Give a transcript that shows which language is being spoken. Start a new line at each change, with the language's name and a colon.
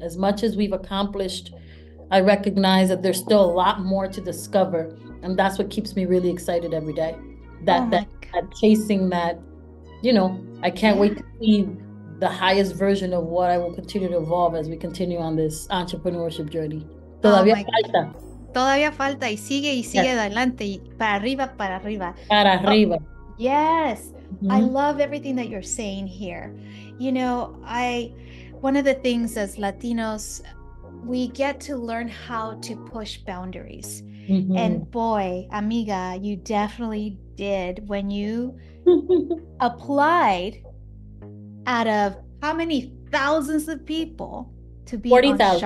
English: As much as we've accomplished, I recognize that there's still a lot more to discover. And that's what keeps me really excited every day. That chasing that, you know, I can't wait to see the highest version of what I will continue to evolve as we continue on this entrepreneurship journey.
Spanish: Todavía falta. Todavía falta, y sigue, y sigue adelante, y para arriba, para arriba. Para arriba.
English: Oh, yes. Mm-hmm. I love everything that you're saying here. You know, one of the things as Latinos, we get to learn how to push boundaries. Mm-hmm. And boy, amiga, you definitely did when you applied out of how many thousands of people to be 40,000.